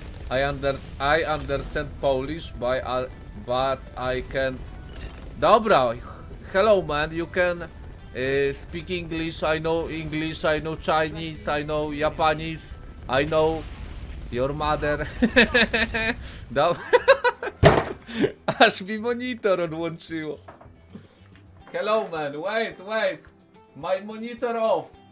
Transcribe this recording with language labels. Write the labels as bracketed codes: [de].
[en] I understand Polish, but I can't. Dobra, hello man, you can speak English, I know Chinese, I know Japanese, I know your mother. [pl] Dobra. Aż mi monitor odłączyło. [en] Hello man, wait, my monitor off.